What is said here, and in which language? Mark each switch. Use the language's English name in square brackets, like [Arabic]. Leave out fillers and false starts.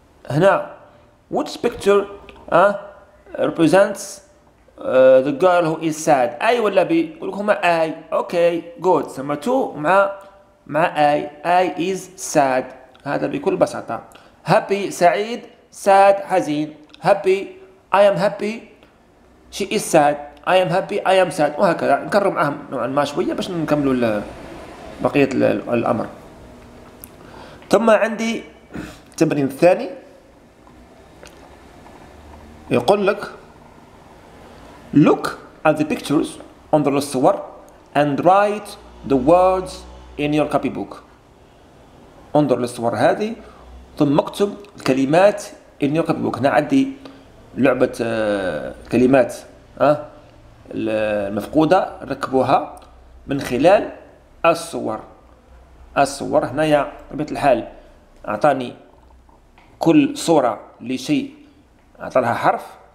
[Arabic] هنا [English] which picture represents the girl who is sad؟ [Arabic] أي ولا بي؟ قول لكم أي. [English] Okay, good. Number two [Arabic] مع [English] I is sad. [Arabic] هذا بكل بساطة. [English] Happy [Arabic] سعيد، [English] sad [Arabic] حزين. [English] Happy I am happy. She is sad. I am happy. I am sad. [Arabic] وهكذا نكرر معاهم نوعا ما شوية باش نكملوا بقية الأمر. ثم عندي التمرين الثاني يقول لك [English] Look at the pictures on the [Arabic] الصور [English] and write the words in your copy book. [Arabic] انظر للصور هذه ثم اكتب الكلمات [English] in your copy book. [Arabic] هنا عندي لعبة كلمات المفقودة، ركبوها من خلال الصور. الصور هنا يا ربيعة الحال اعطاني كل صورة لشيء اعطى لها حرف.